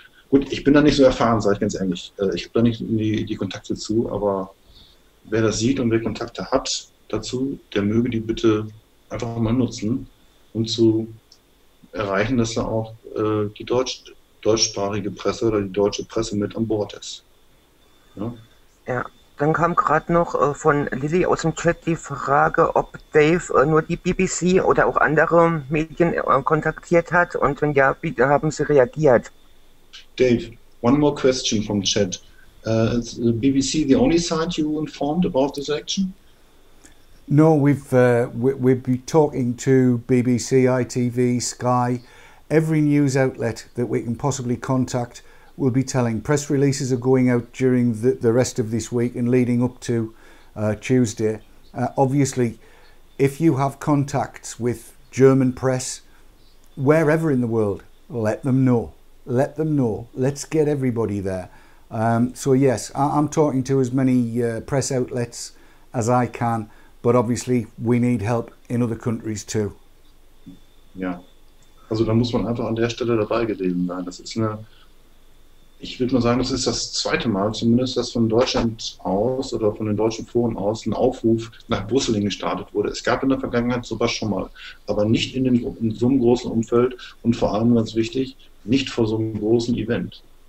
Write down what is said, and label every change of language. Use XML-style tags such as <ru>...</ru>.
<de>Gut, ich bin da nicht so erfahren, sage ich ganz ehrlich. Ich habe da nicht die Kontakte zu, aber wer das sieht und wer Kontakte hat dazu, der möge die bitte einfach mal nutzen, um zu erreichen, dass da auch die deutschsprachige Presse oder die deutsche Presse mit an Bord ist. Ja. Dann kam gerade noch von Lilly aus dem Chat die Frage, ob Dave nur die BBC oder auch andere Medien kontaktiert hat und wenn ja, wie haben sie reagiert?</de> <en>Dave, one more question from chat. Is the BBC the only site you informed about this action? No, we'd be talking to BBC, ITV, Sky, every news outlet that we can possibly contact. We'll be telling. Press releases are going out during the rest of this week and leading up to Tuesday. Obviously, if you have contacts with German press, wherever in the world, let them know. Let them know. Let's get everybody there. I'm talking to as many press outlets as I can, but obviously we need help in other countries too.</en> <de>Yeah. Also da muss man einfach an der Stelle dabei gewesen sein. Das ist eine Ich würde mal sagen, das ist das zweite Mal zumindest, dass von Deutschland aus oder von den deutschen Foren aus ein Aufruf nach Brüsseling gestartet wurde. Es gab in der Vergangenheit sowas schon mal, aber nicht in so einem großen Umfeld und vor allem ganz wichtig, nicht vor so einem großen Event.</de>